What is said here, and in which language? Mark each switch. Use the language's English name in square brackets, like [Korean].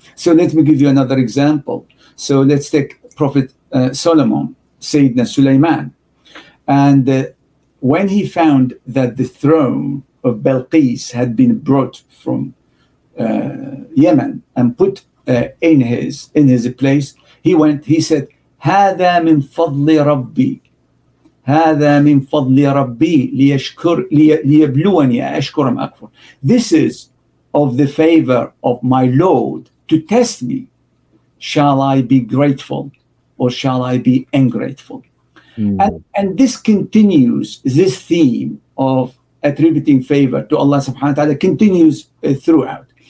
[English] So let me give you another example. So let's take Prophet Solomon, Sayyidina Sulaiman. And when he found that the throne of Belqis had been brought from Yemen and put in his place, he said, [Arabic] هذا من فضل ربي. هذا من فضل ربي ليشكر ليبلوني أشكر أم أكفر. [English] This is of the favor of my Lord to test me. Shall I be grateful or shall I be ungrateful? And this continues, this theme of attributing favor to Allah subhanahu wa ta'ala continues throughout.